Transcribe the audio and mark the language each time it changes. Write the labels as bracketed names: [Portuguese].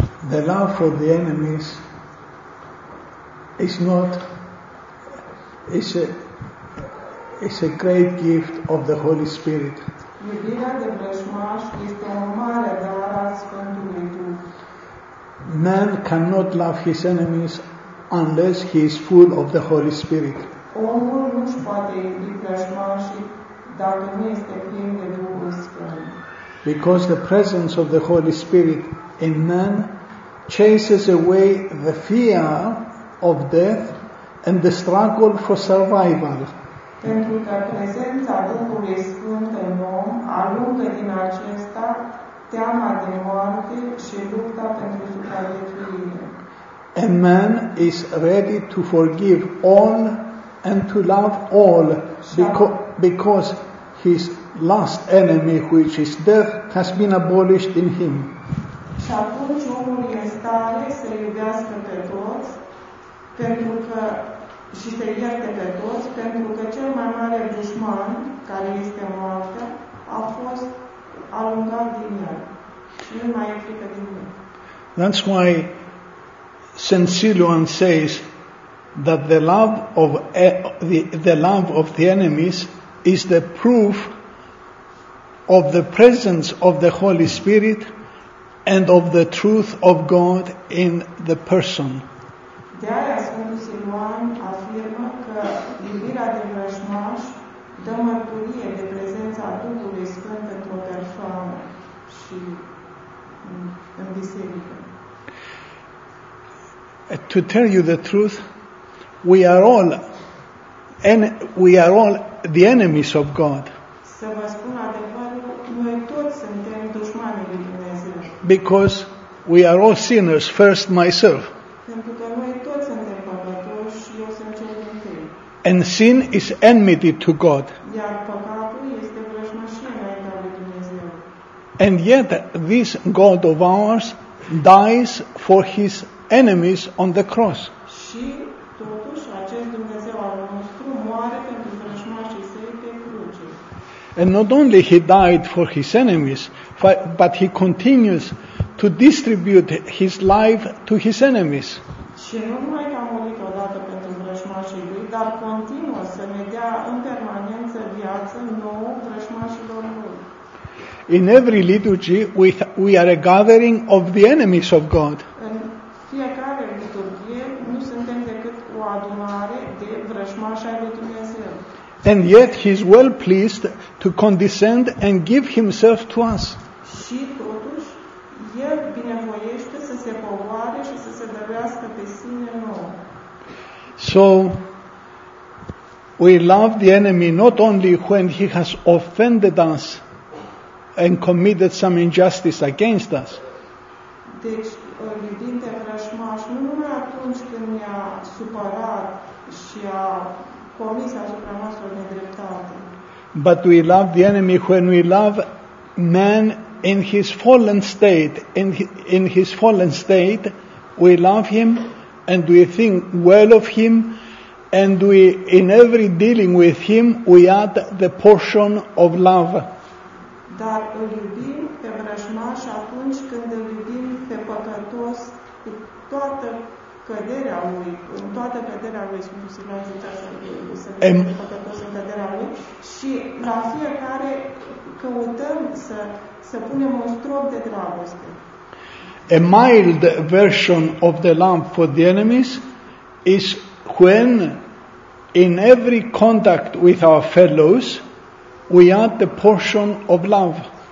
[English] The love for the enemies is not is a great gift of the Holy Spirit. [Romanian] Iubirea de vrăjmaș este o mare dar a Sfântului Duh. [English] Man cannot love his enemies unless he is full of the Holy Spirit. [Romanian] Omul nu își poate iubi vrăjmașii dacă nu este plin de Duhul Sfânt. [English] Because the presence of the Holy Spirit in man chases away the fear of death and the struggle for survival. [Romanian] Pentru că prezența Duhului Sfânt în om alungă din acesta teama de moarte și lupta pentru supraviețuire. [English] A man is ready to forgive all and to love all because his last enemy, which is death, has been abolished in him. [Romanian] Și atunci omul este tare să iubească pe toți pentru că și să ierte pe toți pentru că cel mai mare dușman care este moartea a fost alungat din el. Și nu mai e frică din el. [English] That's why St. Siluan says that the love of the enemies is the proof of the presence of the Holy Spirit and of the truth of God in the person. [Romanian] De aia Sfântul Siluan afirmă că iubirea de vrăjmaș dă mărturie de prezența Duhului Sfânt într-o persoană și în biserică. [English] To tell you the truth, we are all the enemies of God. [Romanian] Să vă spun adevărul, noi toți suntem dușmanii lui Dumnezeu. [English] Because we are all sinners, first myself. [Romanian] Pentru că noi toți suntem păcătoși și eu sunt cel din tâi. [English] And sin is enmity to God. [Romanian] Iar păcatul este vrăjmașie înaintea lui Dumnezeu. [English] And yet this God of ours dies for his enemies on the cross. [Romanian] Și totuși acest Dumnezeu al nostru moare pentru vrăjmașii săi pe cruce. [English] And not only he died for his enemies, but he continues to distribute his life to his enemies. [Romanian] Și nu numai că a murit odată pentru vrăjmașii lui, dar continuă să ne dea în permanență viață nouă vrăjmașilor lui. [English] In every liturgy we are a gathering of the enemies of God. [Romanian] Fiecare liturghie nu suntem decât o adunare de vrăjmași ai lui Dumnezeu. [English] And yet he is well pleased to condescend and give himself to us. [Romanian] Și totuși el binevoiește să se povoare și să se dăruiască pe sine nouă. [English] So we love the enemy not only when he has offended us and committed some injustice against us. [Romanian] Deci, iubim pe vrăjmaș nu numai atunci când ne-a supărat și a comis asupra noastră nedreptate. [English] But we love the enemy when we love man in his fallen state. In his fallen state, we love him and we think well of him and we, in every dealing with him, we add the portion of love. [Romanian] Dar îl iubim pe vrăjmaș atunci când îl iubim pe păcătos cu toată căderea lui, în toată căderea lui, Sfântul Siluan zicea să iubim pe păcătos în căderea lui și la fiecare căutăm să punem un strop de dragoste. [English] A mild version of the love for the enemies is when in every contact with our fellows we add the portion of love.